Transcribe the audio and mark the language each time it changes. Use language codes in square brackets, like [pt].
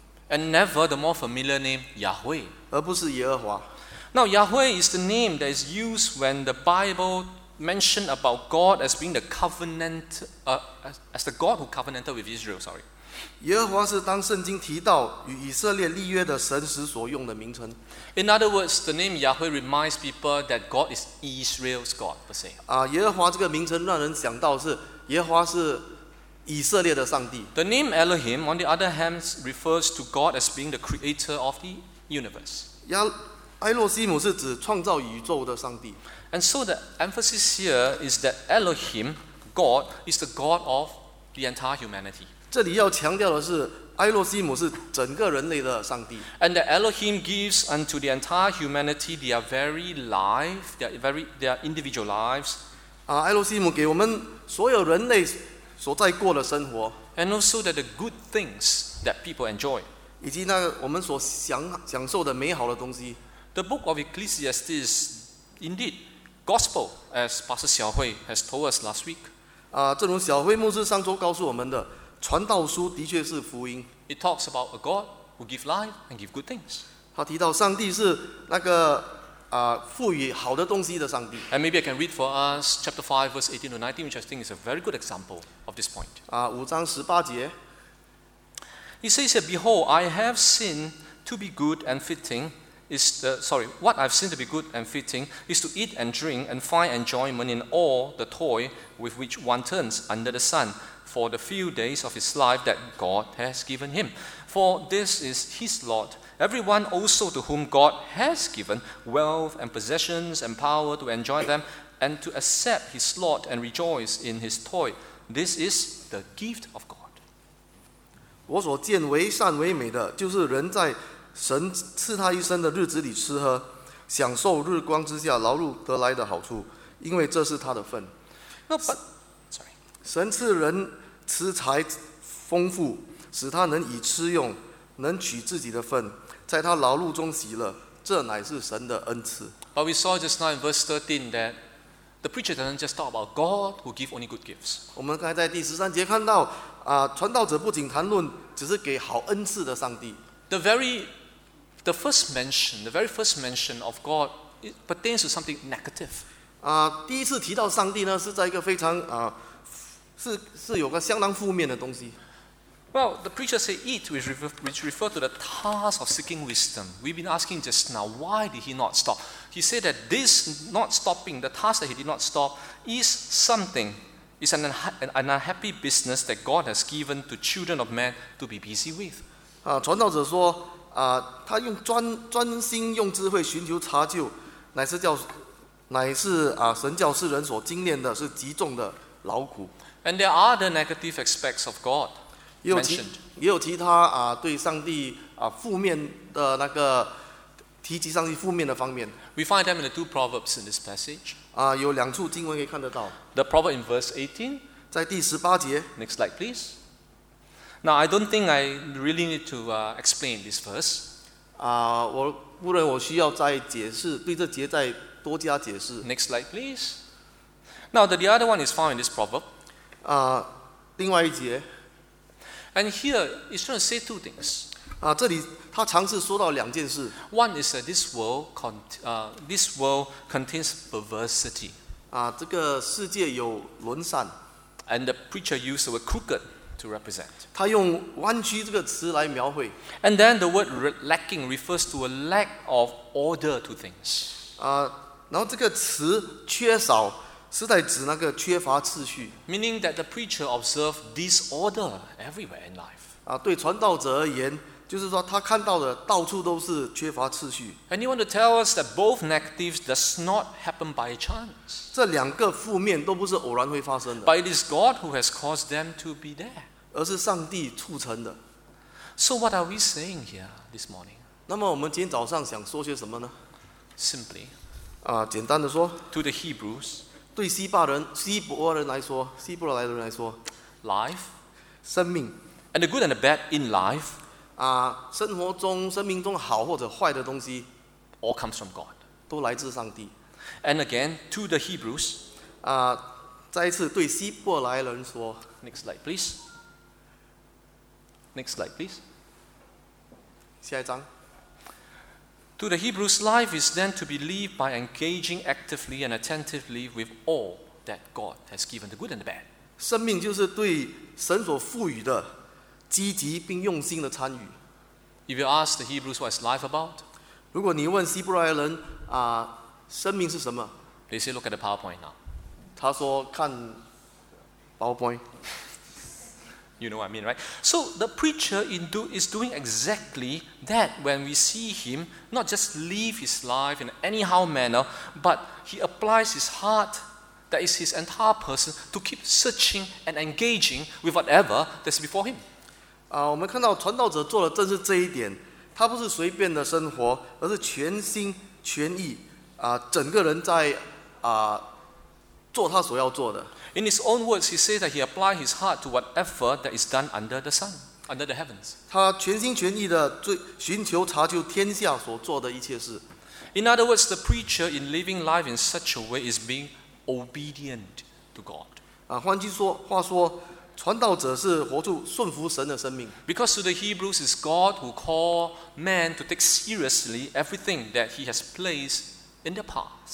[en] ，and never the more familiar name Yahweh， [zh] 而不是耶和华。 [en] Now Yahweh is the name that is used when the Bible mentioned about God as being the covenant, as the God who covenanted with Israel. Sorry， [zh] 耶和华是当圣经提到与以色列立约的神时所用的名称。 [en] In other words, the name Yahweh reminds people that God is Israel's God, per se. [zh] 耶和华这个名称让人想到是耶和华是以色列的上帝。 [en] The name Elohim, on the other hand, refers to God as being the creator of the universe. [zh] 埃洛西姆是指创造宇宙的上帝。 [en] And so the emphasis here is that Elohim, God, is the God of the entire humanity. [zh] 这里要强调的是埃洛西姆是整个人类的上帝。 [en] And that Elohim gives unto the entire humanity their very life, their individual lives. [zh] 埃洛西姆给我们所有人类所在过的生活。 [en] And also that the good things that people enjoy. [zh] 以及那个我们所享受的美好的东西。 [en] The book of Ecclesiastes, indeed, gospel, as Pastor Xiaohui has told us last week. [zh] 正如小慧牧师上周告诉我们的。传道书的确是福音。 [en] It talks about a God who gives life and gives good things. [zh] 他提到上帝是那个赋予好的东西的上帝。 [en] And maybe I can read for us chapter 5 verse 18 to 19, which I think is a very good example of this point. [zh] 五章十八节。 [en] He says, "Behold, I have seen to be good and fitting is the sorry, what I've seen to be good and fitting is to eat and drink and find enjoyment in all the toy with which one turns under the sun." For the few days of his life that God has given him. For this is his lot. Everyone also to whom God has given wealth and possessions and power to enjoy them and to accept his lot and rejoice in his toil. This is the gift of God. [zh] 我所见为善为美的就是人在神赐他一生的日子里吃喝享受日光之下劳碌得来的好处因为这是他的份。 [en] No, but... [zh] 神赐人吃财丰富使他能以吃用能取自己的份在他劳碌中喜乐这乃是神的恩赐。 [en] But we saw just now in verse 13 that the preacher doesn't just talk about God who gives only good gifts. [zh] 我们刚才在第十三节看到传道者不仅谈论只是给好恩赐的上帝。 [en] The very first mention of God it pertains to something negative. [zh] 第一次提到上帝呢，是在一个非常是有个相当负面的东西。 [en] Well, the preacher said it, which refer to the task of seeking wisdom. We've been asking just now, why did he not stop? He said that this not stopping, the task that he did not stop, is something, is an unhappy business that God has given to children of man to be busy with. [zh] 传道者说，他用专心用智慧寻求查究，乃是神叫世人所经验的是极重的劳苦。 [en] And there are the negative aspects of God. [zh] 也有其他对上帝负面的那个提及上帝负面的方面。 [en] We find them in the two proverbs in this passage. [zh] 有两处经文可以看得到。 [en] The proverb in verse 18, [zh] 在第十八节。 [en] Next slide, please. Now I don't think I really need to explain this verse. [zh] 我不然我需要再解释，对这节再多加解释。 [en] Next slide, please. Now the other one is found in this proverb. [zh] 另外一节。 [en] And here, it's trying to say two things. [zh] 这里他尝试说到两件事。 [en] One is that this world contains perversity. [zh] 这个世界有沦散。 [en] And the preacher used the word crooked to represent. [zh] 他用弯曲这个词来描绘。 [en] And then the word lacking refers to a lack of order to things. [zh] 然后这个词缺少是在指那个缺乏秩序。 [en] Meaning that the preacher observed disorder everywhere in life. [zh] 对传道者而言，就是说他看到的到处都是缺乏秩序。 [en] And you want to tell us that both negatives does not happen by chance. [zh] 这两个负面都不是偶然会发生的。 [en] But it is God who has caused them to be there. [zh] 而是上帝促成的。 [en] So what are we saying here this morning? [zh] 那么我们今天早上想说些什么呢？ [en] Simply. [zh] 简单的说。 [en] To the Hebrews. [zh] 对希伯人，希伯来人来说 [en] ，life， [zh] 生命 [en] ，and the good and the bad in life， [zh] 生活中、生命中好或者坏的东西 [en] ，all comes from God， [zh] 都来自上帝。 [en] And again to the Hebrews， [zh] 再一次对希伯来人说 [en] ，next slide please， next slide please， [zh] 下一章。 [en] To the Hebrews, life is then to be lived by engaging actively and attentively with all that God has given, the good and the bad. [zh] 生命就是对神所赋予的积极并用心的参与。 [en] If you ask the Hebrews what is life about, [zh] 如果你问希伯来人生命是什么？ [en] They say, look at the PowerPoint now. [zh] 他说看 PowerPoint. [en] You know what I mean, right? So the preacher is doing exactly that when we see him not just live his life in anyhow manner, but he applies his heart, that is his entire person, to keep searching and engaging with whatever that's before him. [zh] 我们看到传道者做的正是这一点，他不是随便的生活，而是全心全意，整个人在做他所要做的。 [en] In his own words, he says that he applied his heart to whatever that is done under the sun, under the heavens. [zh] 他全心全意地寻求查究天下所做的一切事。 [en] In other words, the preacher in living life in such a way is being obedient to God. [zh] 换句话说，传道者是活出顺服神的生命。 [en] Because to the Hebrews, it's God who called man to take seriously everything that he has placed in the past.